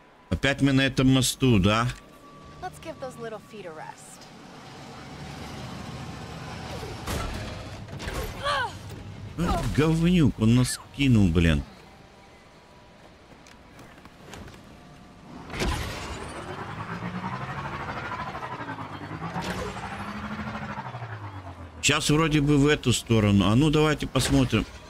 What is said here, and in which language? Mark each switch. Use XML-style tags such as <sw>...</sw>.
<ru>Опять мы на этом мосту, да?</ru> <en>Let's give those little feet a rest.</en> <ru>Говнюк, он нас кинул, блин. Сейчас вроде бы в эту сторону. А ну давайте посмотрим.</ru>